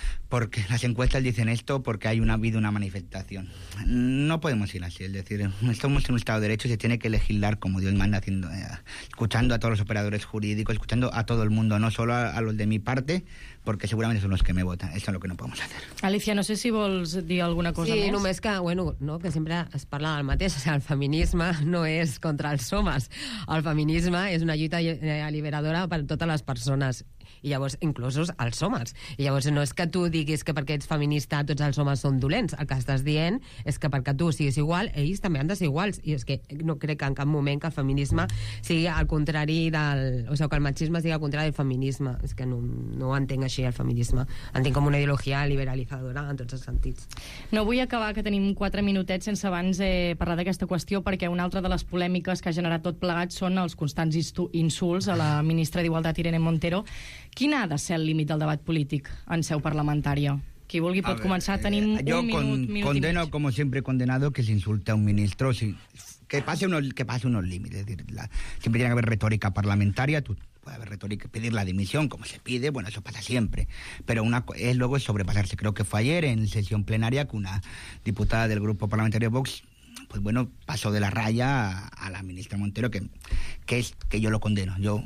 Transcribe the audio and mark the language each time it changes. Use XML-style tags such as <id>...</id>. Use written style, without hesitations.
<es>Porque las encuestas dicen esto porque ha habido una manifestación. No podemos ir así, es decir, estamos en un Estado de Derecho y se tiene que legislar como Dios manda, escuchando a todos los operadores jurídicos, escuchando a todo el mundo, no solo a los de mi parte, porque seguramente son los que me votan. Eso es lo que no podemos hacer.</es> <ca>Alicia, no sé si vols dir alguna cosa sí, més. Sí, només que, bueno, no, que sempre es parla del mateix, o sigui, el feminisme no és contra els homes, el feminisme és una lluita alliberadora per totes les persones. i llavors inclús els homes. I llavors no és que tu diguis que perquè ets feminista tots els homes són dolents. El que estàs dient és que perquè tu siguis igual, ells també han de ser iguals. I és que no crec que en cap moment que el feminisme sigui al contrari del... O sigui, que el machisme sigui al contrari del feminisme. És que no ho entenc així, el feminisme. Entenc com una ideologia liberalitzadora en tots els sentits. No vull acabar, que tenim 4 minutets sense abans parlar d'aquesta qüestió, perquè una altra de les polèmiques que ha generat tot plegat són els constants insults a la ministra d'Igualtat, Irene Montero. Quin ha de ser el límit del debat polític en seu parlamentària? Qui vulgui pot començar. Tenim</ca> <es>condeno, como siempre he condenado, que se insulte a un ministro. Si, que pase unos límites. Es decir, siempre tiene que haber retórica parlamentaria. Puede haber retórica, pedir la dimisión, como se pide. Bueno, eso pasa siempre. Pero luego es sobrepasarse. Creo que fue ayer en sesión plenaria que una diputada del grupo parlamentario Vox, pues bueno, pasó de la raya a la ministra Montero, que yo lo condeno.</es>